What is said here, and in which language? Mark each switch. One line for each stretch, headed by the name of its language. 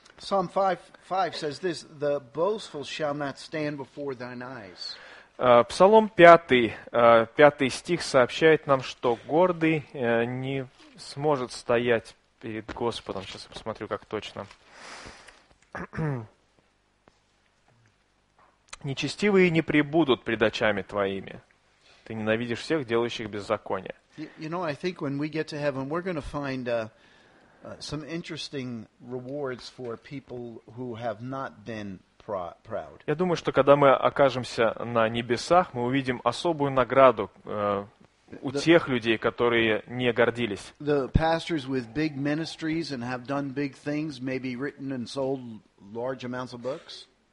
English: Psalm 5 says this, the boastful shall not stand before thine eyes.
Russian: Псалом 5 стих сообщает нам, что гордый не сможет стоять перед Господом. Сейчас я посмотрю, как точно. Нечестивые не пребудут пред очами твоими. Ты ненавидишь всех, делающих беззаконие.
English: You know, I think when we get to heaven, we're going to find some interesting rewards for people who have not been proud.
Russian: Я думаю, что когда мы окажемся на небесах, мы увидим особую награду у тех людей, которые не гордились.
English: The pastors with big ministries and have done big things, maybe written and sold large amounts of books.